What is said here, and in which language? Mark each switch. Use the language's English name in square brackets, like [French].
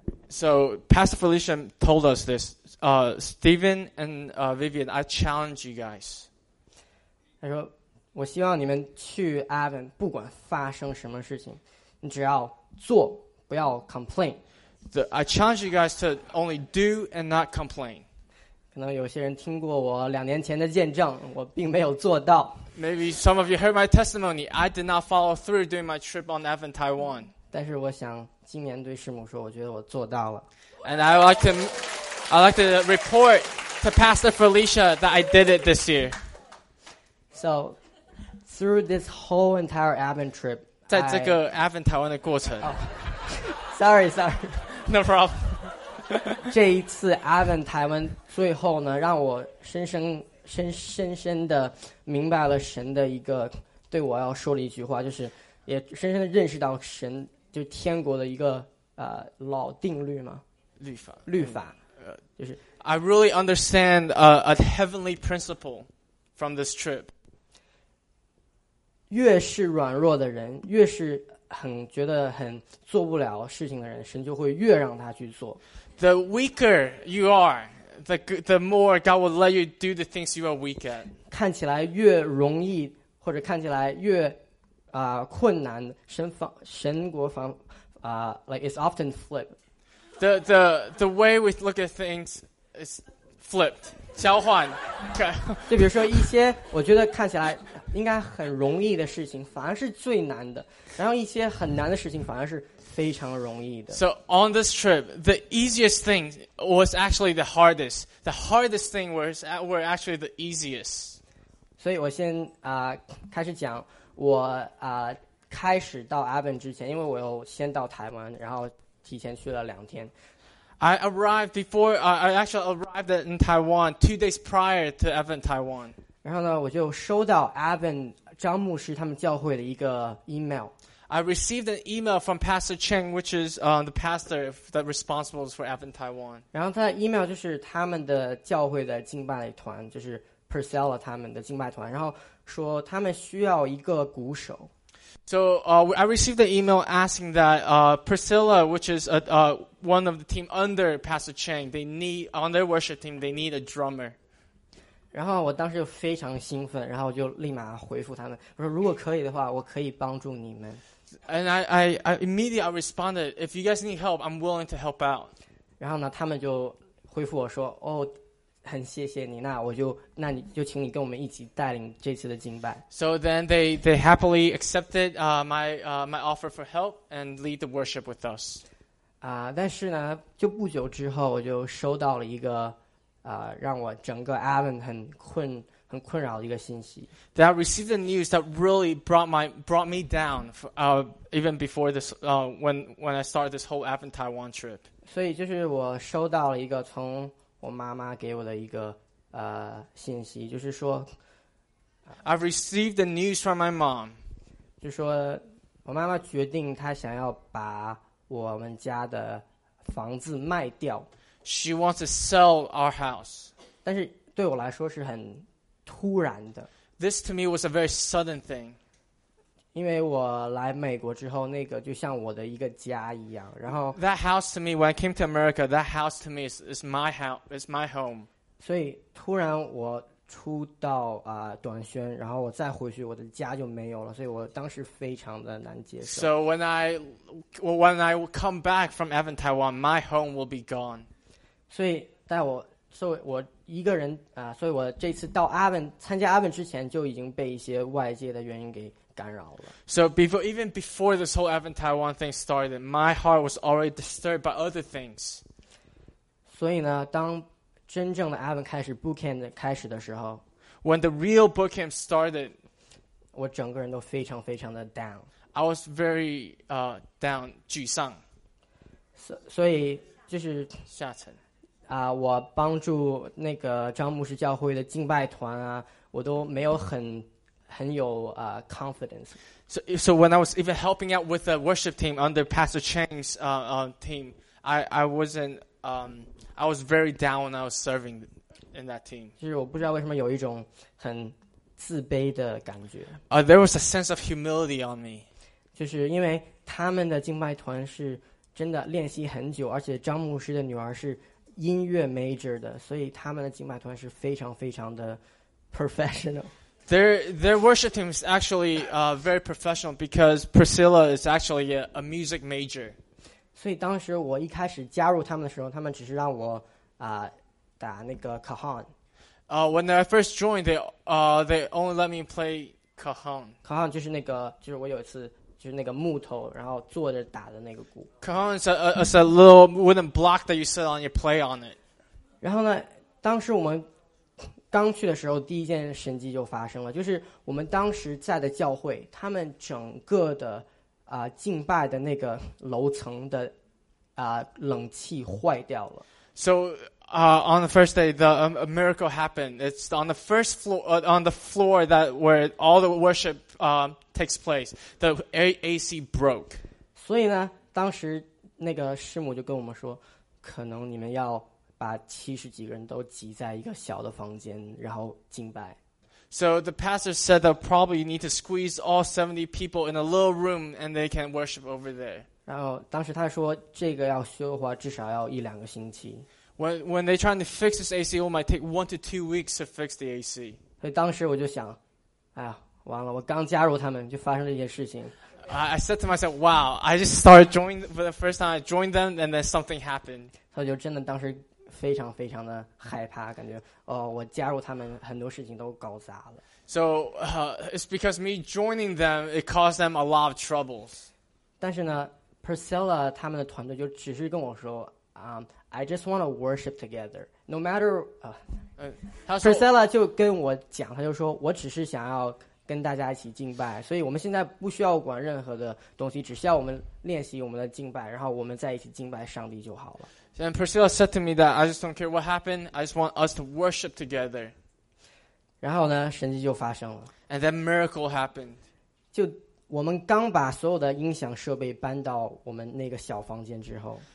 [English] So Pastor Felicia told us this. Stephen and Vivian, I challenge you guys. [Chinese] 他说，我希望你们去 Evan， 不管发生什么事情，你只要做，不要 complain. [English] I challenge you guys to only do and not complain. [Chinese] 可能有些人听过我两年前的见证，我并没有做到。 [English] Maybe some of you heard my testimony. I did not follow through during my trip on Evan Taiwan. [Chinese] 但是我想。今年对师母说，我觉得我做到了。 [English] And I like to report to Pastor Felicia that I did it this year. So through this whole entire Advent trip, [Chinese] 在这个 Advent 台湾的过程。 [English] Sorry. No problem. [Chinese] 这一次 Advent 台湾最后呢，让我深深的明白了神的一个对我要说的一句话，就是也深深的认识到神。就天国的一个老定律吗？律法、就是 [English] I really understand a heavenly principle from this trip. [Chinese] 越是软弱的人，越是很觉得很做不了事情的人，神就会越让他去做。 [English] The weaker you are, the more God will let you do the things you are weak at. [Chinese] 看起来越容易，或者看起来越困难，神国 [English] it's often flipped. The way we look at things is flipped. [Chinese] 交换。就比如说一些我觉得看起来应该很容易的事情，反而是最难的；然后一些很难的事情，反而是非常容易的。 [English] So on this trip, the easiest thing was actually the hardest. The hardest thing were actually the easiest. [Chinese] 所以我先开始讲。我开始到 Evan 之前，因为我又先到台湾，然后提前去了两天。 [English] I arrived before. I actually arrived in Taiwan 2 days prior to Evan Taiwan. [Chinese] 然后呢，我就收到 Evan 张牧师他们教会的一个 email. [English] I received an email from Pastor Cheng, which is the pastor that responsible for Evan Taiwan. [Chinese] 然后他的 email 就是他们的教会的敬拜团，就是 Priscilla 他们的敬拜团，然后。说他们需要一个鼓手。 [English] So, I received an email asking that Priscilla, which is one of the team under Pastor Chang, they need on their worship team, they need a drummer. [Chinese] 然后我当时就非常兴奋，然后就立马回复他们，我说如果可以的话，我可以帮助你们。 [English] And I immediately responded, if you guys need help, I'm willing to help out. [Chinese] 然后呢，他们就回复我说，哦。很谢谢你，那你就请你跟我们一起带领这次的敬拜。 [English] So then they happily accepted my offer for help and lead the worship with us. [Chinese] 但是呢，就不久之后我就收到了一个让我整个 Evan 很困扰的一个信息。 [English] That I received the news that really brought me down even before this when I started this whole Evan Taiwan trip. [Chinese] 所以就是我收到了一个从。我妈妈给我的一个信息，就是说 [English] ，I've received the news from my mom， [Chinese] 就说我妈妈决定她想要把我们家的房子卖掉。 [English] She wants to sell our house， [Chinese] 但是对我来说是很突然的。 [English] This to me was a very sudden thing. [Chinese] 因为我来美国之后，那个就像我的一个家一样。然后 [English] that house to me when I came to America, that house to me is my house, is my home. [Chinese] 所以突然我出到短宣，然后我再回去，我的家就没有了，所以我当时非常的难接受。 [English] So when I come back from Evan Taiwan, my home will be gone. [Chinese] 所以在我作为我一个人所以我这次到阿文参加阿文之前就已经被一些外界的原因给干扰了。 [English] So even before this whole Evan Taiwan thing started, my heart was already disturbed by other things. [Chinese] 所以呢，当真正的 Evan 开始 book camp 开始的时候 [English] ，When the real book camp started， [Chinese] 我整个人都非常非常的 down。 [English] I was very down， [Chinese] 沮丧。所以就是下沉。我帮助那个张牧师教会的敬拜团啊，我都没有很有confidence。 [English] So when I was even helping out with the worship team under Pastor Chang's team, I wasn't. I was very down when I was serving in that team. [Chinese] 其实我不知道为什么有一种很自卑的感觉。 [English] There was a sense of humility on me. [Chinese] 就是因为他们的敬拜团是真的练习很久，而且张牧师的女儿是音乐 major 的，所以他们的敬拜团是非常非常的 professional. [English] Their worship team is actually very professional because Priscilla is actually a music major. [Chinese] 所以当时我一开始加入他们的时候，他们只是让我打那个 cajon。 [English] When I first joined, they only let me play cajon. [Chinese] Cajon 就是那个，就是我有一次就是那个木头，然后坐着打的那个鼓。 [English] Cajon is a little wooden block that you sit on, you play on it. [Chinese] 然后呢，当时我们刚去的时候，第一件神迹就发生了，就是我们当时在的教会，他们整个的。敬拜的那个楼层的冷气坏掉了。 [English] So on the first day, the a miracle happened. It's on the first floor, on the floor that where all the worship takes place. The AC broke. [Chinese] 所以呢，当时那个师母就跟我们说，可能你们要把七十几个人都挤在一个小的房间，然后敬拜。 [English] So the pastor said that probably you need to squeeze all 70 people in a little room and they can worship over there. [Chinese] 然后当时他说这个要修的话至少要一两个星期。 [English] When they're trying to fix this AC, it might take 1 to 2 weeks to fix the AC. [Chinese] 所以当时我就想，哎呀，完了，我刚加入他们就发生了一些事情。 [English] I said to myself, wow, I just started joining for the first time, I joined them and then something happened. [Chinese] 所以就真的当时非常非常的害怕，感觉哦，我加入他们很多事情都搞砸了。 [English] So it's because me joining them, it caused them a lot of troubles. [Chinese] 但是呢 ，Priscilla 他们的团队就只是跟我说， [English] I just want to worship together, no matter. [Chinese] Priscilla 就跟我讲，他就说我只是想要跟大家一起敬拜，所以我们现在不需要管任何的东西，只需要我们练习我们的敬拜，然后我们在一起敬拜上帝就好了。 [English] And Priscilla said to me that I just don't care what happened. I just want us to worship together. [Chinese] 然后呢，神迹就发生了。 [English] And that miracle happened. [Chinese] 就我们刚把所有的音响设备搬到我们那个小房间之后。